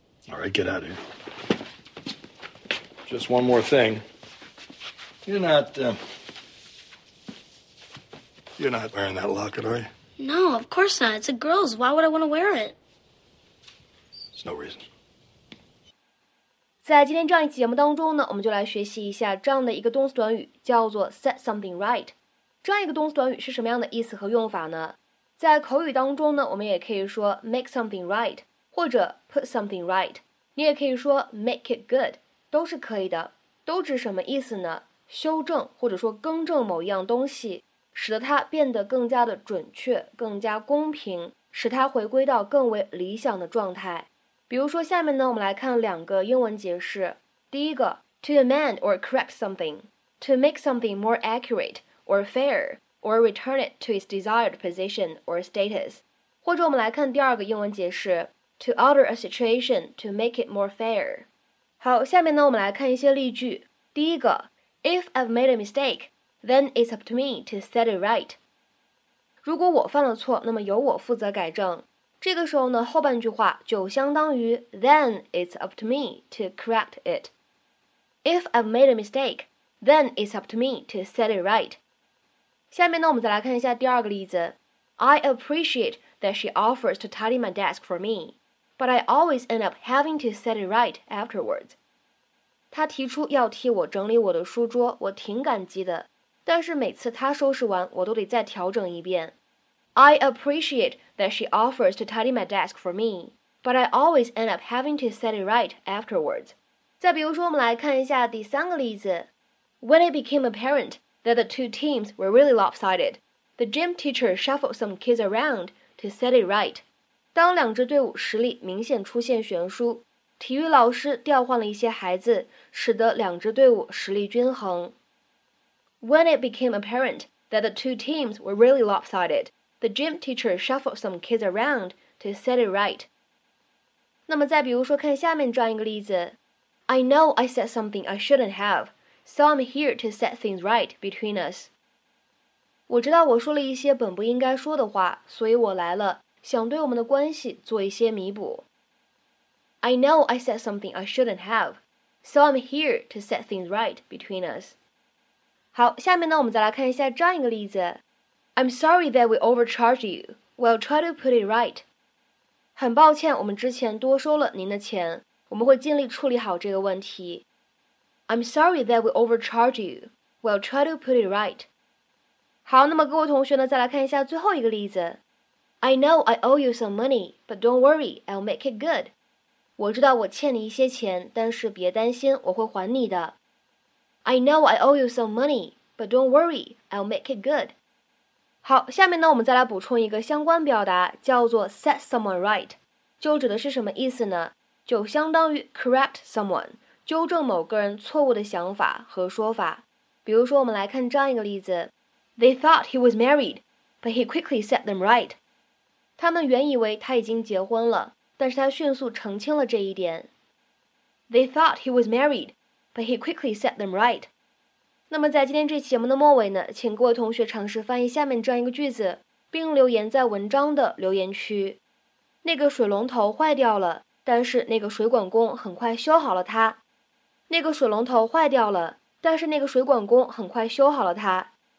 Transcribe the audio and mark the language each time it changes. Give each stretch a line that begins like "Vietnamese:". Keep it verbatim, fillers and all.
English: All right, get out of here. Just one more thing. You're not, uh, you're not wearing that locket, are you? No, of course not. It's a girl's. Why would I want to wear it? There's no reason.
Chinese: 在今天这样一期节目当中呢，我们就来学习一下这样的一个动词短语，叫做 set something right。这样一个动词短语是什么样的意思和用法呢？在口语当中呢，我们也可以说 make something right， 或者 put something right。你也可以说 make it good。都是可以的，都指什么意思呢？修正或者说更正某一样东西，使得它变得更加的准确，更加公平，使它回归到更为理想的状态。比如说下面呢，我们来看两个英文解释。第一个
English: to amend or correct something, to make something more accurate or fair, or return it to its desired position or status.
Chinese: 或者我们来看第二个英文解释
English: to alter a situation to make it more fair。
Chinese: 好，下面呢，我们来看一些例句。第一个
English: ，If I've made a mistake, then it's up to me to set it right。
Chinese: 如果我犯了错，那么由我负责改正。这个时候呢，后半句话就相当于
English: then it's up to me to correct it。 If I've made a mistake, then it's up to me to set it right。
Chinese: 下面呢，我们再来看一下第二个例子。
English: I appreciate that she offers to tidy my desk for me. But I always end up having to set it right afterwards.
Chinese: 他提出要替我整理我的书桌，我挺感激的，但是每次他收拾完，我都得再调整一遍。
English: I appreciate that she offers to tidy my desk for me, but I always end up having to set it right afterwards.
Chinese: 再比如说，我们来看一下第三个例子。
English: When it became apparent that the two teams were really lopsided, the gym teacher shuffled some kids around to set it right.
Chinese: 当两支队伍实力明显出现悬殊体育老师调换了一些孩子，使得两支队伍实力均衡。
English: When it became apparent that the two teams were really lopsided, the gym teacher shuffled some kids around to set it right.
Chinese: 那么再比如说，看下面这样一个例子
English: ：I know I said something I shouldn't have, so I'm here to set things right between us.
Chinese: 我知道我说了一些本不应该说的话，所以我来了，想对我们的关系做一些弥补。
English: I know I said something I shouldn't have, so I'm here to set things right between us.
Chinese: 好，下面呢，我们再来看一下这样一个例子。
English: I'm sorry that we overcharged you. We'll try to put it right.
Chinese: 很抱歉，我们之前多收了您的钱，我们会尽力处理好这个问题。
English: I'm sorry that we overcharged you. We'll try to put it right.
Chinese: 好，那么各位同学呢，再来看一下最后一个例子。
English: I know I owe you some money, but don't worry, I'll make it good.
Chinese: 我知道我欠你一些钱，但是别担心，我会还你的。
English: I know I owe you some money, but don't worry, I'll make it good.
Chinese: 好，下面呢，我们再来补充一个相关表达，叫做 set someone right， 就指的是什么意思呢？就相当于 correct someone， 纠正某个人错误的想法和说法。比如说，我们来看这样一个例子
English: ：They thought he was married, but he quickly set them right.
Chinese: 他们原以为他已经结婚了。但是他迅速澄清了这一点。
English: They thought he was married, but he quickly set them right.
Chinese: 那么在今天这期节目的末尾呢，请各位同学尝试翻译下面这样一个句子，并留言在文章的留言区。那个水龙头坏掉了，但是那个水管工很快修好了它。那个水龙头坏掉了，但是那个水管工很快修好了它。